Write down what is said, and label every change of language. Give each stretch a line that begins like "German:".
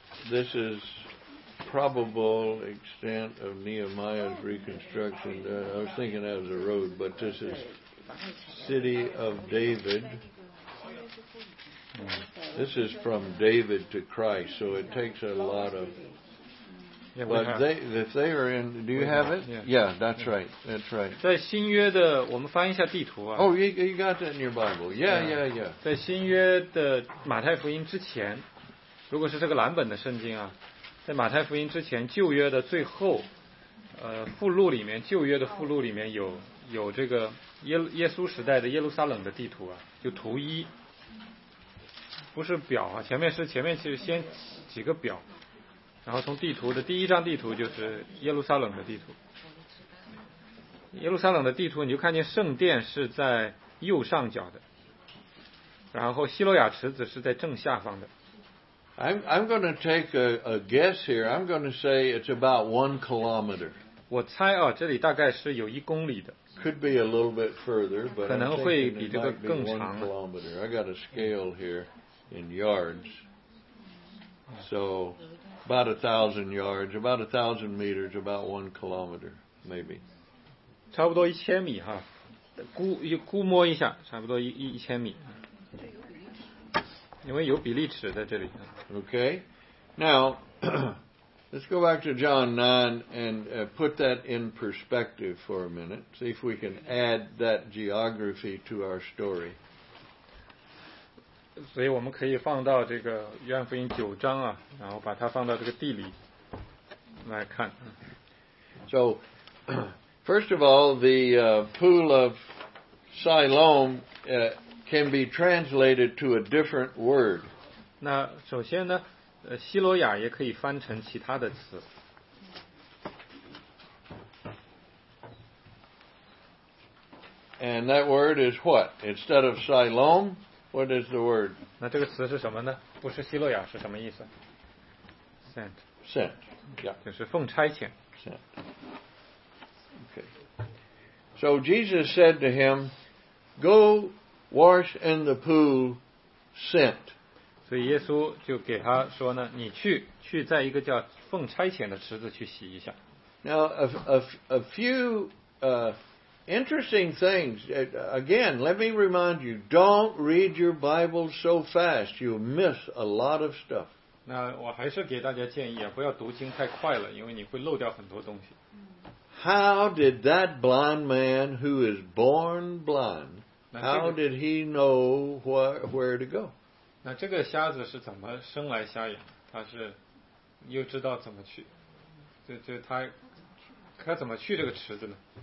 English: This is probable extent of Nehemiah's reconstruction. I was thinking that was a road, but this is City of David. This is from David to Christ, so it takes a lot of. Yeah, but they, if they are in, do you have it? Yeah, that's right. That's right.
Chinese: 在新约的，我们翻一下地图啊。
English: Oh, you got that in your Bible? Yeah, yeah, yeah.
Chinese: 在新约的马太福音之前，如果是这个蓝本的圣经啊，在马太福音之前，旧约的最后，附录里面，旧约的附录里面有这个。耶稣时代的耶路撒冷的地图啊，就图一，不是表啊，前面其实先几个表，然后从地图的第一张地图就是耶路撒冷的地图。耶路撒冷的地图，你就看见圣殿是在右上角的，然后希罗亚池子是在正下方的。
English: I'm going to take a guess here. I'm going to say it's about 1 kilometer.
Chinese: 我猜啊，这里大概是有一公里的。
English: Could be a little bit further, but I think it might be 1 kilometer. I got a scale here in yards. So about 1,000 yards, about 1,000 meters, about 1 kilometer, maybe.
Chinese: 差不多一千米哈，估摸一下，差不多一千米。因为有比例尺在这里。
English: Okay, now let's go back to John 9 and put that in perspective for a minute. See if we can add that geography to our story.
Chinese: 所以我们可以放到这个约翰福音九章啊，然后把它放到这个地理来看。
English: So, first of all, the pool of Siloam can be translated to a different word.
Chinese: 那首先呢？希罗亚也可以翻成其他的词。
English: And that word is what? Instead of Siloam, what is the word?
Chinese: 那这个词是什么呢？不是希罗亚是什么意思 ？Sent.
English: Sent. Yeah.
Chinese: 就是奉差遣。
English: Sent. Okay. So Jesus said to him, "Go wash in the pool, sent."
Chinese: 所以耶稣就给他说呢，你去在一个叫奉差遣的池子去洗一下。
English: Now a few interesting things. Again, let me remind you, don't read your Bible so fast. You miss a lot of stuff.
Chinese: 那我还是给大家建议，不要读经太快了，因为你会漏掉很多东西。
English: How did that blind man who is born blind? How did he know where to go?
Chinese: 那这个瞎子是怎么生来瞎眼？他是又知道怎么去，就他怎么去这个池子呢